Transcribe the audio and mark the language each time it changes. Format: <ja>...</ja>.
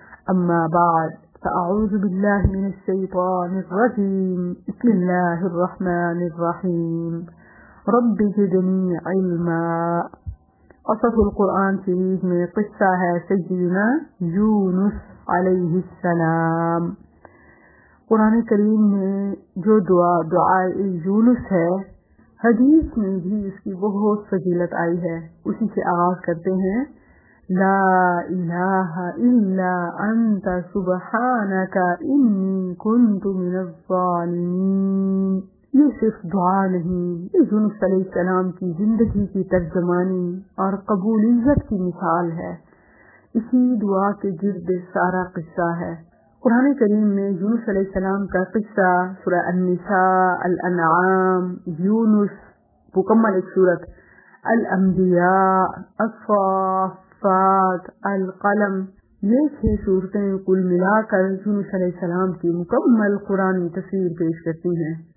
<ar>أما بعد، فأعوذ بالله من الشيطان الرجيم، بسم الله الرحمن الرحيم. رب زدني علما. قصص القرآن شريف من قصة سيدنا يونس عليه السلام.</ar> <ur>قرآن الكريم میں جو دعا دعاء يونس ہے، حدیث میں بھی اس کی بہت فضیلت آئی ہے، اسی سے آغاز کرتے ہیں.</ur> <ar>لا إله إلا أنت سبحانك إني كنت من الظالمين.</ar> <ur>یہ صرف دعا نہیں، یہ یونس علیہ السلام کی زندگی کی ترجمانی اور قبول عزت کی مثال ہے. اسی دعا کے گرد سارا قصہ ہے. قرآن کریم میں یونس علیہ السلام کا قصہ سورہ النساء، الانعام، یونس، مکمل ایک سورت، الانبیاء، الصافات، القلم، یہ چھ صورتیں کل ملا کر یونس علیہ السلام کی مکمل قرآنی تصویر پیش کرتی ہیں.</ur>